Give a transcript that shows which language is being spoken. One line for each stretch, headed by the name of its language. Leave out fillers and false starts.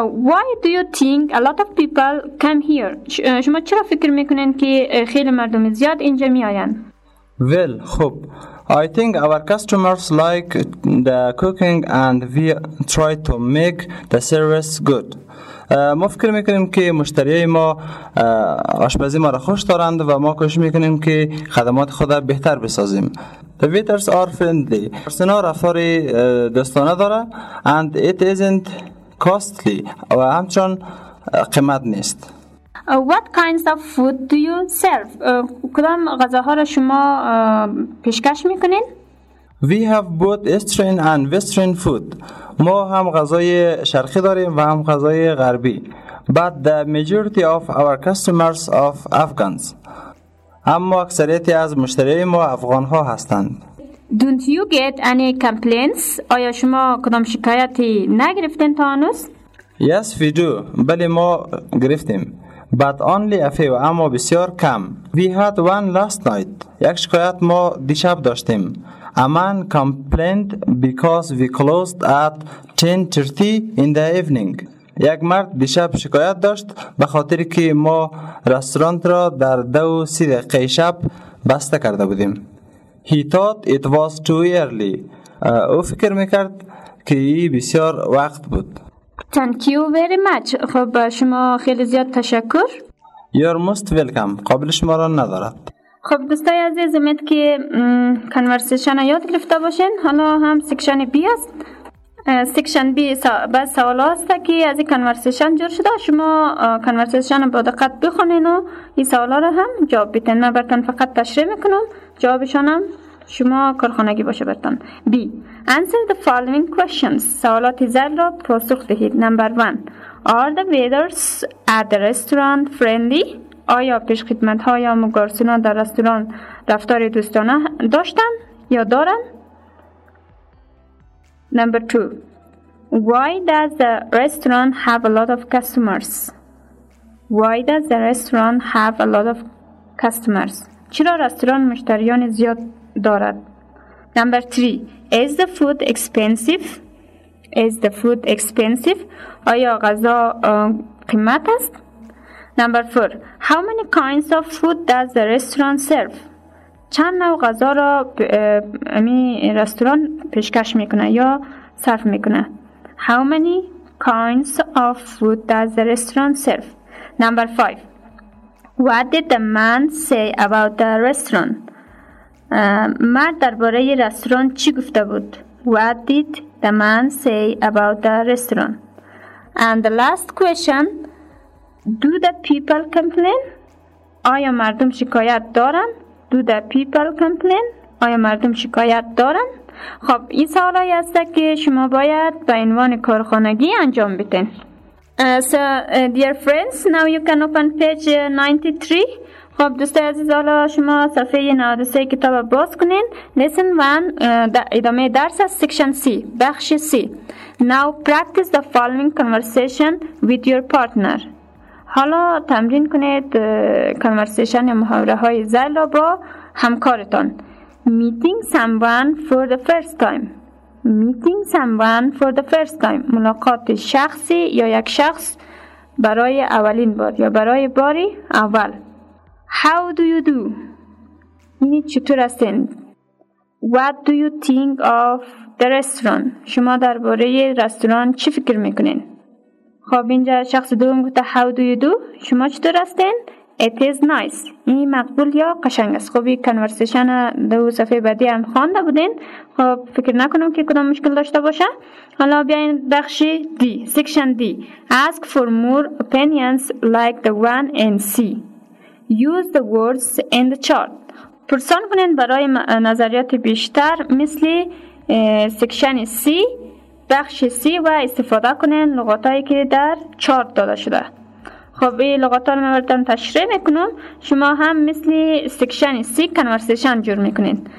English: Why do you think a lot of people come here?
Persian: شما چرا فکر میکنین که خیلی مردم زیاد اینجا میآیند؟
English: Well, خوب. I think our customers like the cooking and we try to make the service good.
Persian: ما فکر میکنیم که مشتریای ما آشپزی ما را خوش دارند و ما کوشش میکنیم که خدمات خود را بهتر بسازیم.
English: The waiters are friendly.
Persian: پرسنل رفتار دوستانه داره
English: and it isn't costly.
Persian: و همچنان قیمت نیست.
English: What kinds of food do you serve?
Persian: کدام غذاها را شما پیشکش میکنین؟
English: We have both Eastern and Western food.
Persian: ما هم غذای شرقی داریم و هم غذای غربی.
English: But the majority of our customers are Afghans.
Persian: اما اکثریتی از مشتریان ما افغان ها هستند.
English: Don't you get any complaints?
Persian: آیا شما کدام شکایتی نگرفتین تا هنوز؟
English: Yes, we do.
Persian: بله ما گرفتیم.
English: But only a few,
Persian: اما بسیار کم.
English: We had one last night.
Persian: یک شکایت ما دیشب داشتیم.
English: A man complained because we closed at 10:30 in the evening.
Persian: یک مرد دیشب شکایت داشت به خاطر که ما رستوران را در 2:30 دقیقه شب بسته کرده بودیم.
English: He thought it was too early.
Persian: او فکر میکرد که این بسیار وقت بود.
English: Thank you very much.
Persian: خب شما خیلی زیاد تشکر.
English: You're most welcome.
Persian: قابل شما را ندارد. خب دوستای عزیز امید که کانورسیشن یاد گرفته باشین. حالا هم سیکشن بی است. سیکشن بی بس سوال هست که از این کانورسیشن جور شده. شما کانورسیشن را با دقت بخونین و این سوال را هم جواب بیتن. من برتان فقط تشریح میکنم. جوابشانم شما کارخانگی باشه برتان.
English: B. Answer the following questions.
Persian: سوالات زل را پاسخ دهید.
English: Number 1. Are the waiters at the restaurant friendly?
Persian: آیا پیش خدمت ها یا مگارسون ها در رستوران رفتار دوستانه داشتن یا دارن؟
English: Number 2. Why does the restaurant have a lot of customers? Why does the restaurant have a lot of customers?
Persian: چرا رستوران مشتریان زیاد دارد؟
English: Number 3. Is the food expensive? Is the food expensive?
Persian: آیا غذا قیمت است؟
English: Number 4. How many kinds of food does the restaurant serve?
Persian: چند نوع غذا را رستوران پیشکش میکنه یا صرف میکنه؟
English: How many kinds of food does the restaurant serve? Number 5. What did the man say about the restaurant?
Persian: مرد درباره رستوران چی گفته بود؟
English: What did the man say about the restaurant? And the last question, do the people complain?
Persian: آیا مردم شکایت دارن؟
English: Do the people complain?
Persian: آیا مردم شکایت دارن؟ خب این سوال هایی هست که شما باید به عنوان کارخانگی انجام بدین.
English: So, dear friends, now you can open page 93.
Persian: خب دوست عزیز حالا شما صفحه 93 کتاب باز کنین.
English: Lesson 1
Persian: ادامه درس است.
English: Section C بخش C. Now practice the following conversation with your partner.
Persian: حالا تمرین کنید کانورسیشن یا محاوره های زل را با همکارتان.
English: Meeting someone for the first time. Meeting someone for the first time.
Persian: ملاقات شخصی یا یک شخص برای اولین بار یا برای باری اول.
English: How do you do?
Persian: یعنی چطور هستین؟
English: What do you think of the restaurant?
Persian: شما درباره رستوران چی فکر میکنین؟ خب اینجا شخص دوم گفته
English: How do you do?
Persian: شما چطور هستین؟
English: It is nice.
Persian: این مقبول یا قشنگ است. خب یک کنورسیشن دو صفحه بعدی هم خوانده بودین. خب فکر نکنم که کدام مشکل داشته باشه. حالا بیاین بخش دی. سیکشن دی.
English: Ask for more opinions like the one in C. Use the words in the chart.
Persian: پرسان کنین برای نظریات بیشتر مثل سیکشن سی، بخش سی و استفاده کنین لغاتایی که در چارت داده شده. خب این لغات ها رو مبردم تشریح میکنم. شما هم مثل سیکشن سی کنورسیشن جور میکنین.